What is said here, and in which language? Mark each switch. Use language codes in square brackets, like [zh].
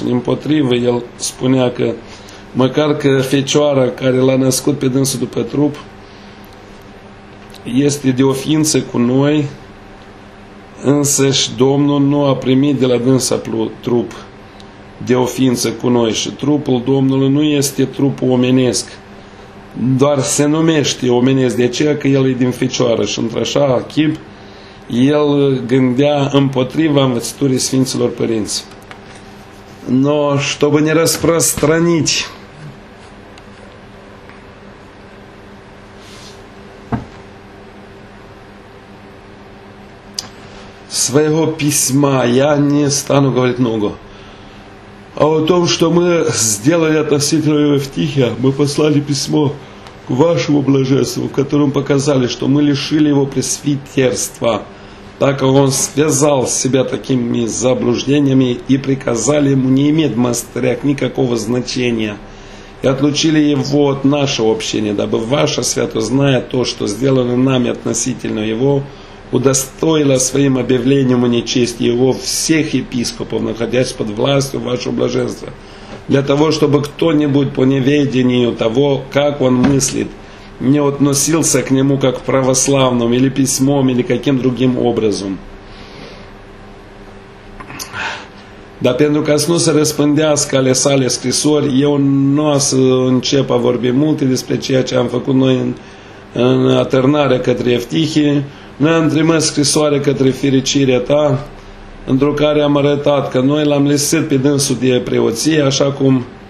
[ro] Împotrivă, el spunea că măcar că Fecioara care l-a născut pe dânsul după trup este de o ființă cu noi, însăși Domnul nu a primit de la dânsa trup de o ființă cu noi și trupul Domnului nu este trupul omenesc, doar se numește omenesc, de aceea că el e din Fecioară și într-așa chip el gândea împotriva învățăturii Sfinților Părinți. [ru] Но, чтобы не распространить своего письма, я не стану говорить много. А о том, что мы сделали относительно Евтихия, мы послали письмо к вашему блаженству, в котором показали, что мы лишили его пресвитерства, так как он связал себя такими заблуждениями и приказали ему не иметь в монастырях никакого значения. И отлучили его от нашего общения, дабы ваша святость, зная то, что сделано нами относительно его, удостоила своим объявлением о нечестии его всех епископов, находясь под властью вашего блаженства, для того, чтобы кто-нибудь по неведению того, как он мыслит, не относился к нему как к православному, или письмом, или каким другим образом. [ro] Да, pentru că nu se răspândească ale sale scrisori, eu nu o să încep a vorbi multe despre ceea ce am făcut noi în atârnarea către Eftihie. Noi am trimis scrisoare către fericirea ta, într-o care am arătat că noi l-am lăsat pe dânsul de preoție, așa cum